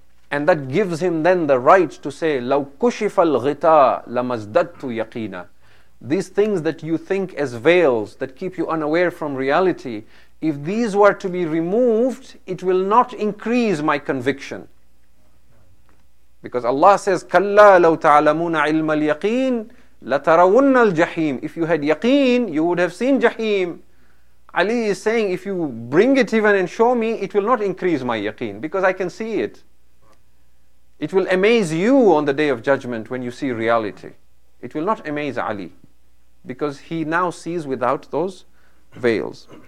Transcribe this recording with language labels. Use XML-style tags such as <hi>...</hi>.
<en>And that gives him then the right to say,</en> <ar>لَوْ كُشِفَ الْغِطَى لَمَزْدَدْتُ يَقِينًا.</ar> <en>These things that you think as veils, that keep you unaware from reality, if these were to be removed, it will not increase my conviction. Because Allah says,</en> <ar>كَلَّا لَوْ تَعْلَمُونَ عِلْمَ الْيَقِينَ لَتَرَوُنَّ الْجَحِيمِ.</ar> <en>If you had yaqeen, you would have seen jaheem. Ali is saying, if you bring it even and show me, it will not increase my yaqeen, because I can see it. It will amaze you on the day of judgment when you see reality. It will not amaze Ali, because he now sees without those veils.</en>